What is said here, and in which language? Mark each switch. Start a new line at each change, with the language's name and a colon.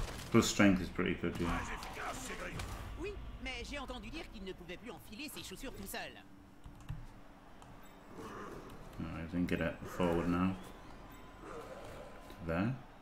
English: Plus strength is pretty good, yeah.
French: Oui, mais j'ai entendu dire qu'il ne pouvait plus enfiler ses chaussures tout seul.
English: I didn't get it forward now. There.